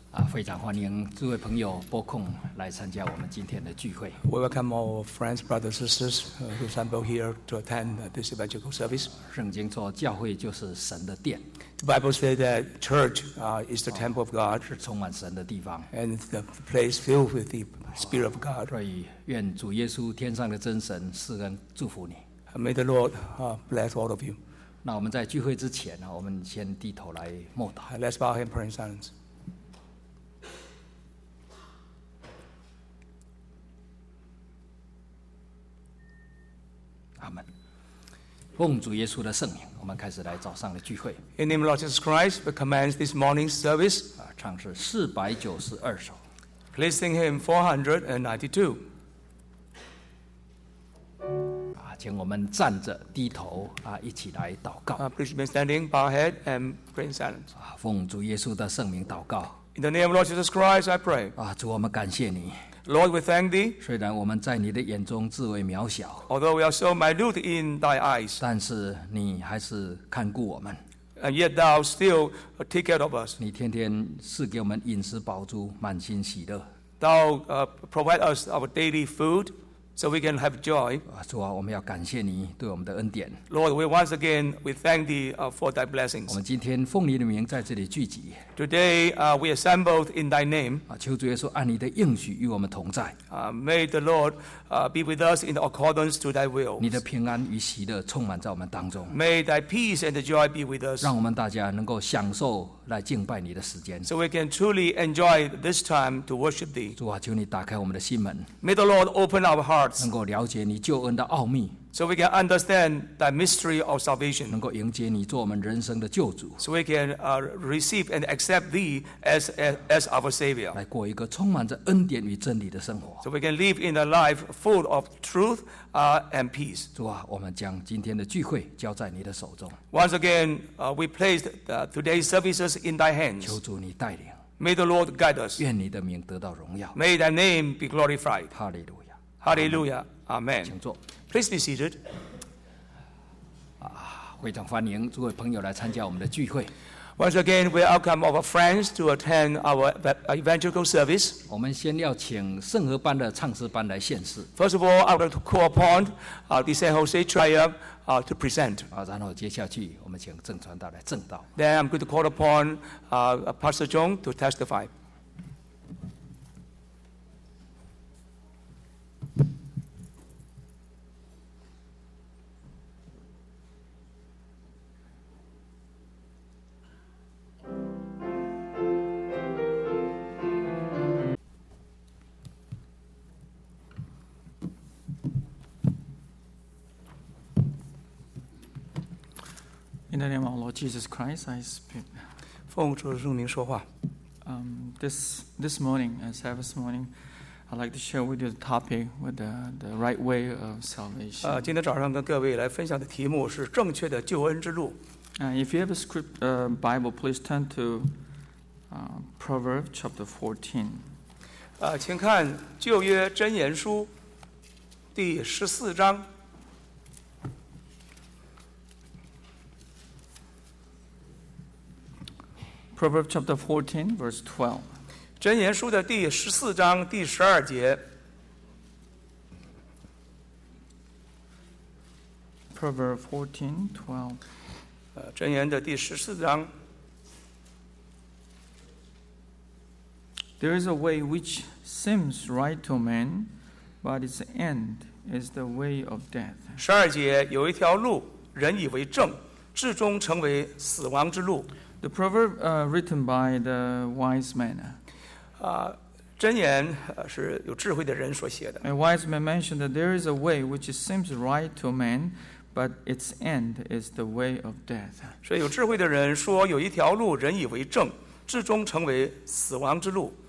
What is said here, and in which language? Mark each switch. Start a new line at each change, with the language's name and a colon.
Chinese: 非常欢迎诸位朋友拨空来参加我们今天的聚会。
English: We welcome all friends, brothers, sisters who assemble here to attend this evangelical service.
Chinese: 圣经说教会就是神的殿。
English: The Bible says that church is the temple of God.
Chinese: 是充满神的地方。
English: And the place filled with the Spirit of God.
Chinese: 所以愿主耶稣天上的真神赐恩祝福你。
English: May the Lord bless all of you.
Chinese: 那我们在聚会之前我们先低头来默祷。
English: Let's bow and pray in silence.
Chinese: 奉主耶稣的圣名，我们开始来早上的聚会。
English: In the name of Jesus Christ, we commence this morning's service.
Chinese: 唱是492首。
English: Please sing hymn 492.
Chinese: 请我们站着低头一起来祷告。
English: Please remain standing, bow head and pray in silence.
Chinese: 奉主耶稣的圣名祷告。
English: In the name of Jesus Christ, I pray.
Chinese: 主，我们感谢你。
English: Lord, we thank thee.
Chinese: 虽然我们在你的眼中自为渺小，
English: although we are so minute in thy eyes,
Chinese: 但是你还是看顾我们。
English: And yet thou still take care of us.
Chinese: 你天天赐给我们饮食饱足，满心喜乐。
English: Thou provide us our daily food, so we can have joy.
Chinese: 主啊，我们要感谢你对我们的恩典。
English: Lord, we thank thee for thy blessings.
Chinese: 我们今天奉你的名在这里聚集。
English: Today, we assembled in thy name.
Chinese: 求主耶稣按你的应许与我们同在。
English: May the Lord be with us in accordance to thy will.
Chinese: 你的平安与喜乐充满在我们当中。
English: May thy peace and joy be with us.
Chinese: 让我们大家能够享受来敬拜你的时间。
English: So we can truly enjoy this time to worship thee.
Chinese: 主啊，求你打开我们的心门。
English: May the Lord open our hearts.
Chinese: 能够了解你救恩的奥秘。
English: So we can understand that mystery of salvation.
Chinese: 能够迎接你做我们人生的救主。
English: So we can receive and accept thee as our Savior.
Chinese: 来过一个充满着恩典与真理的生活。
English: So we can live in a life full of truth and peace.
Chinese: 主啊，我们将今天的聚会交在你的手中。
English: Once again, we placed today's services in thy hands.
Chinese: 求主你带领。
English: May the Lord guide us.
Chinese: 愿你的名得到荣耀。
English: May thy name be glorified. Hallelujah. Hallelujah. Amen.
Chinese: 请坐。
English: Please be seated.
Chinese: 非常欢迎诸位朋友来参加我们的聚会。
English: Once again, we welcome our friends to attend our evangelical service.
Chinese: 我们先要请圣和班的唱诗班来献诗。
English: First of all, I would like to call upon the San Jose Choir to present.
Chinese: 然后接下去我们请郑传道来证道。
English: Then I'm going to call upon Pastor Zhong to testify. In the name of Lord Jesus Christ, I speak.
Chinese: 奉主圣名说话。
English: This morning, Sabbath morning, I'd like to share with you the topic with the right way of salvation.
Chinese: 今天早上跟各位来分享的题目是正确的救恩之路。
English: If you have a script, Bible, please turn to Proverbs chapter 14.
Chinese: 请看旧约箴言书第十四章。
English: Proverbs chapter 14, verse 12.
Chinese: 箴言书的第十四章第十二节。
English: Proverbs 14:12.
Chinese: 箴言的第十四章。
English: There is a way which seems right to man, but its end is the way of death.
Chinese: 十二节有一条路，人以为正，至终成为死亡之路。
English: The proverb written by the wise man.
Chinese: 箴言是有智慧的人所写的。
English: A wise man mentioned that there is a way which seems right to man, but its end is the way of death.
Chinese: 所以有智慧的人说，有一条路人以为正，至终成为死亡之路。